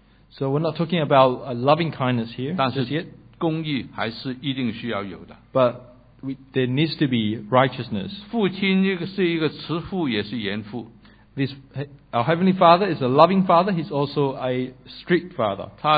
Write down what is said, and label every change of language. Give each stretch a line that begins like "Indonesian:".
English: so we're not talking about a loving kindness here,
Chinese: 但是公义还是一定需要有的,
English: but there needs to be righteousness.
Chinese: 父亲是一个慈父, 也是严父,
English: our Heavenly Father is a loving Father, He's also a strict Father.